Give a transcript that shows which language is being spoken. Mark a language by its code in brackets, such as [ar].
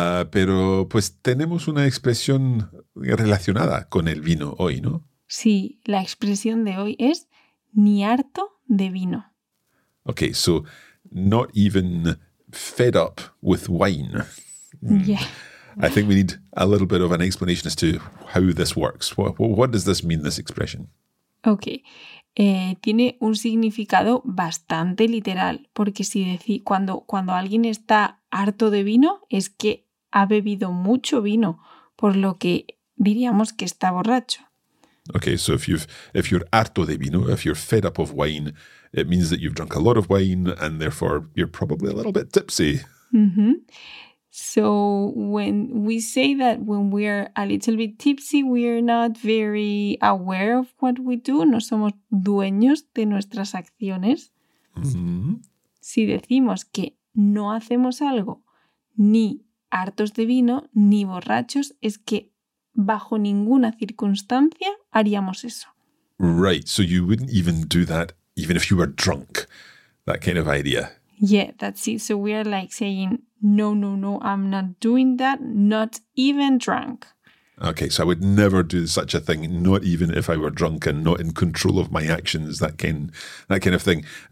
[es] Pero pues tenemos una expresión relacionada con el vino hoy, ¿no? Sí, la expresión de hoy es ni harto de vino. [en] Okay, so not even fed up with wine. Yeah. I think we need a little bit of an explanation as to how this works. What does this mean, this expression? Okay. [es] Tiene un significado bastante literal, porque si decís cuando alguien está harto de vino, es que ha bebido mucho vino, por lo que diríamos que está borracho. [en] Okay, so if you're harto de vino, if you're fed up of wine, it means that you've drunk a lot of wine and therefore you're probably a little bit tipsy. Mm-hmm. So when we say that when we are a little bit tipsy, we are not very aware of what we do. [es] No somos dueños de nuestras acciones. Mm-hmm. Si decimos que no hacemos algo ni hartos de vino ni borrachos, es que bajo ninguna circunstancia haríamos eso. [en] Right. So you wouldn't even do that even if you were drunk. That kind of idea. Yeah, that's it. So we are like saying, no, no, no, I'm not doing that, not even drunk. Okay, so I would never do such a thing, not even if I were drunk and not in control of my actions, that kind of thing.